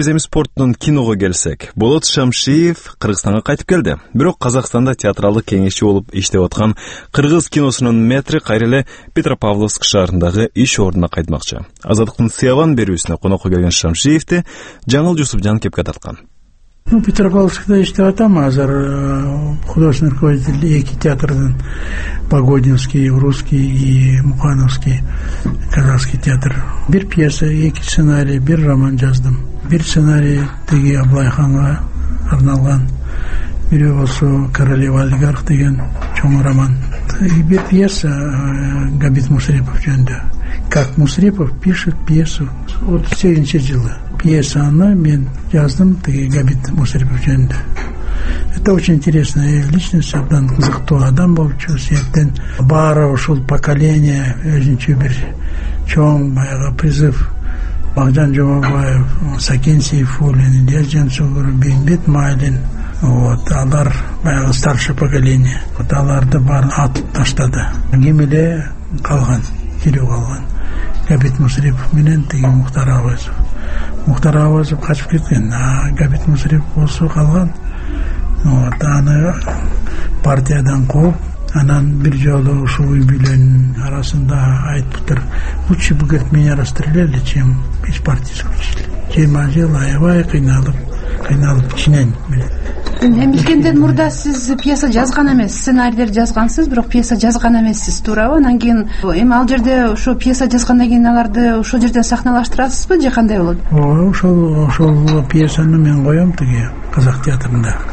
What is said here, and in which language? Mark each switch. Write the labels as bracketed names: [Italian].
[Kyrgyz] Биз эми спорттун киного келсек, Болот Шамшиев Кыргызстанга кайтып келди. Бирок Казакстанда театралдык кеңешчи болуп иштеп аткан кыргыз киносунун метри кайра эле Петропавловск шаарындагы иш ордуна кайтмакчы. Азаттыктын сыябан берүүсүнө конокко келген Шамшиевди Жаңыл Жусупжан кепке тарткан. Петропавловскда иштеп атам азыр, [Russian] художественный руководитель [Kyrgyz] 2 театрдын, Погодинский, Русский и Мухановский казахский театр. Бир пьеса, 2 сценарий, 1 роман жаздым. 1 сценарий теги Аблайханга, арналган. Бирөө болсо Королева олигарх деген чоң роман. Бир пьеса Габит Мусрепов жөнүндө. [Russian] Как Мусрепов пишет пьесу. [Kyrgyz] Вот сегизинчи жылы пьеса она, мен жаздым тиги Габит Мусрепов жөнүндө. [Russian] Это очень интересная личность, [Kyrgyz] абдан кызыктуу адам болчу, себептен баары ушул [Russian] поколение [Kyrgyz] өзүнчө бир чоң баягы призыв. Бахжан Жумабаев, Сакен Сейфуллин, Илья Жансугур, Бейнбет Майлин. Вот, алар баягы [Russian] старшее поколение. [Kyrgyz] Вот аларды баарын атып таштады. Ким эле калган, кирүү калган. Габит Мусрепов менен тиги Мухтар Авазов. Мухтар Авазов качып кеткен, а Габит Мусрепов болсо калган. Вот, аны партиядан кууп, анан бир жолу ушул үй бүлөнүн арасында айтыптыр. [Russian] Лучше бы говорит меня расстреляли, чем из партии исключили. [Kyrgyz] Жыйырма жыл аябай кыйналып, кыйналып ичинен билет. Мен билгенден мурда сиз пьеса жазган эмес, сценарийдер жазгансыз, бирок пьеса жазган эмессиз, туурабы? Анан кийин эми ал жерде ошо пьеса жазгандан кийин аларды ошол жерден сахналаштырасызбы же кандай болот? Ооба, ошол пьесаны мен коем тиги Казак театрында.